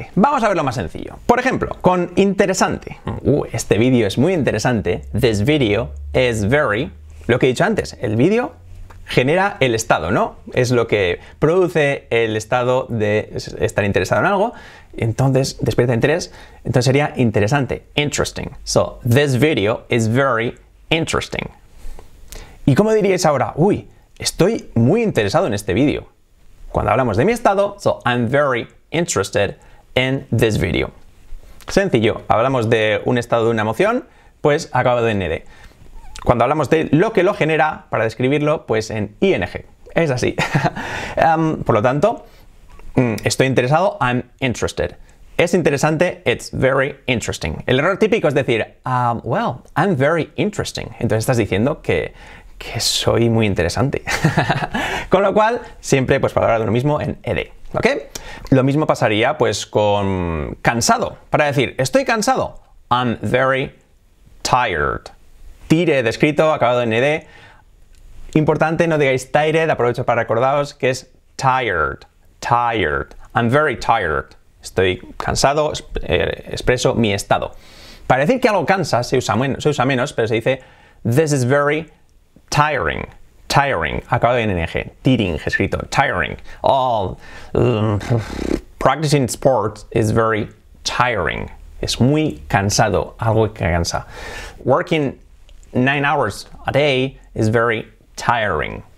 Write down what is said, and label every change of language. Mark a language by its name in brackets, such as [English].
[Spanish] Vamos a verlo más sencillo. Por ejemplo, con interesante. Este vídeo es muy interesante. [English] This video is very... [Spanish] Lo que he dicho antes, el vídeo genera el estado, ¿no? Es lo que produce el estado de estar interesado en algo. Entonces, despierta interés. Entonces sería interesante. [English] Interesting. So, this video is very interesting. [Spanish] ¿Y cómo diríais ahora? Uy, estoy muy interesado en este vídeo. Cuando hablamos de mi estado, [English] so I'm very interested in this video. [Spanish] Sencillo, hablamos de un estado de una emoción, pues acabado en ed. Cuando hablamos de lo que lo genera, para describirlo, pues en ing. Es así. Por lo tanto, estoy interesado, [English] I'm interested. [Spanish] Es interesante, [English] it's very interesting. [Spanish] El error típico es decir, [English] well, I'm very interesting. [Spanish] Entonces estás diciendo que soy muy interesante. Con lo cual, siempre pues para hablar de uno mismo en ed, ¿ok? Lo mismo pasaría pues con cansado. Para decir, estoy cansado, [English] I'm very tired. [Spanish] Tired, escrito, acabado en ed. Importante, no digáis tired, aprovecho para recordaros que es tired. Tired. [English] I'm very tired. [Spanish] Estoy cansado, expreso mi estado. Para decir que algo cansa, se usa menos, pero se dice [English] this is very tiring, [Spanish] tiring, acabado en ng, tiring, escrito, tiring. [English] Practicing sports is very tiring. [Spanish] Es muy cansado, algo que cansa. [English] Working 9 hours a day is very tiring.